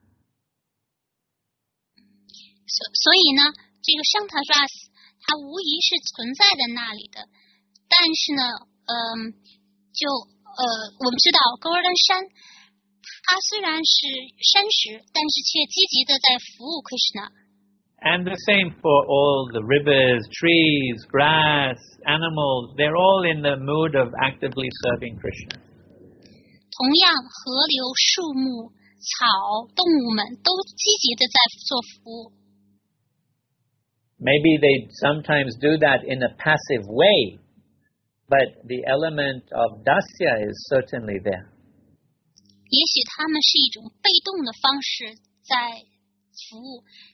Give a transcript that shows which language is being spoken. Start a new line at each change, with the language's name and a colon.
English: So,
Chinese: 呢这个 Shanta Rasa 它无疑是存在在那里的，但是呢，我们知道 Govardhan 山，它虽然是山石，但是却积极的在服务 Krishna。
English: And the same for all the rivers, trees, grass, animals. They're all in the mood of actively serving Krishna.
Chinese: 同样，河流、树木、草、动物们都积极地在做服务。
English: Maybe they sometimes do that in a passive way, but the element of dasya is certainly there.
Chinese: 也许他们是一种被动的方式在服务。